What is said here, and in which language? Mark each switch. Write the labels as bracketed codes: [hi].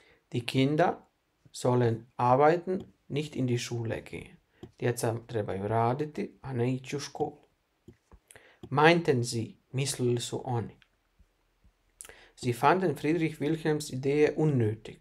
[de] Die Kinder sollen arbeiten, nicht in die Schule gehen. [bs] Djeca trebaju raditi, a ne ići u školu. [de] Meinten sie, [bs] mislili su oni. [de] Sie fanden Friedrich Wilhelms ideje unnötig.